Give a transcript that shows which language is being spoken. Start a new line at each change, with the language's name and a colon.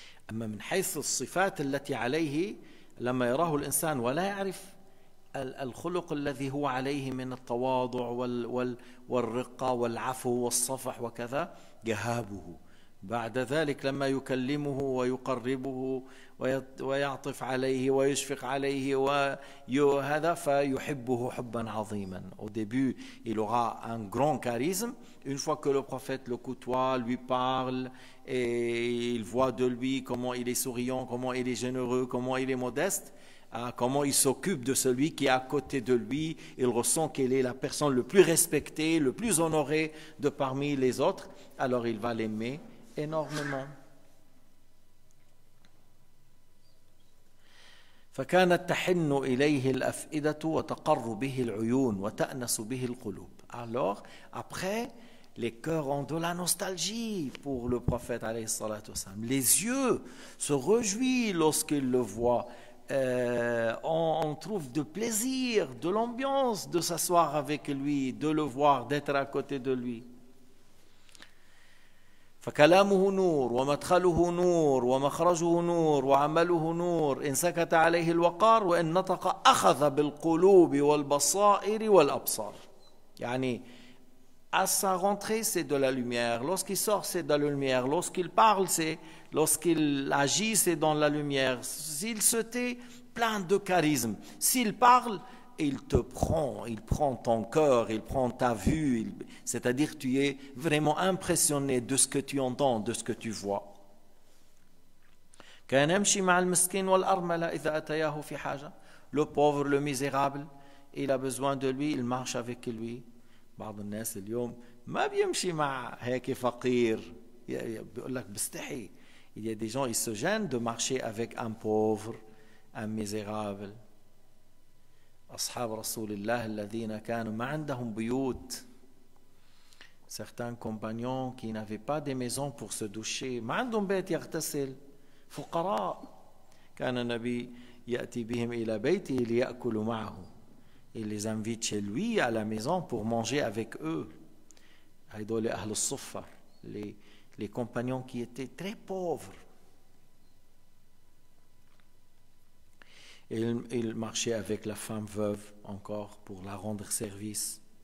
Arabic: أما من حيث الصفات التي عليه لما يراه الإنسان ولا يعرف الخلق الذي هو عليه من التواضع والرقة والعفو والصفح وكذا جهابه. بعد ذلك لما يكلمه ويقربه ويعطف عليه ويشفق عليه وهذا فيحبه حبا عظيما.
French: Au début il aura un grand charisme. Une fois que le prophète le côtoie, lui parle et il voit de lui comment il est souriant, comment il est généreux, comment il est modeste, comment il s'occupe de celui qui est à côté de lui, il ressent qu'elle est la personne le plus respectée, le plus honorée de parmi les autres, alors il va l'aimer énormément.
Arabic: فكانت تحن إليه الأفئدة وتقر به العيون وتأنس به القلوب.
French: Alors après, les cœurs ont de la nostalgie pour le prophète
Arabic: عليه الصلاة والسلام.
French: Les yeux se réjouissent lorsqu'ils le voient. On trouve de plaisir, de l'ambiance de s'asseoir avec lui, de le voir, d'être à côté de lui.
Arabic: فكلامه نور ومدخله نور ومخرجه نور وعمله نور إن سكت عليه الوقار وإن نطق أخذ بالقلوب والبصائر والأبصار.
French: يعني à sa rentrée c'est de la lumière, lorsqu'il sort c'est de la lumière, lorsqu'il parle c'est, lorsqu'il agit c'est dans la lumière, s'il se tait plein de charisme, s'il parle il te prend, il prend ton cœur, il prend ta vue, c'est-à-dire tu es vraiment impressionné de ce que tu entends, de ce que tu vois.
Arabic: كان يمشي مع المسكين والأرملة إذا أتياه في حاجة.
French: Le pauvre, le misérable, il a besoin de lui, il marche avec lui.
Arabic: بعض الناس اليوم ما بيمشي مع هيك فقير. بيقول لك بستحي.
French: Il y a des gens, ils se gênent de marcher avec un pauvre, un misérable.
Arabic: أصحاب رسول الله الذين كانوا ما عندهم بيوت.
French: Certains compagnons qui n'avaient pas des maisons pour se doucher.
Arabic: ما عندهم بيت يغتسل. فقراء. كان النبي يأتي بهم إلى بيتي ليأكلوا معه.
French: Il les invite chez lui à la maison pour manger avec eux. Aïdol et Ahl al-Suffa, les compagnons qui étaient très pauvres. Et il marchait avec la femme veuve encore pour la rendre service.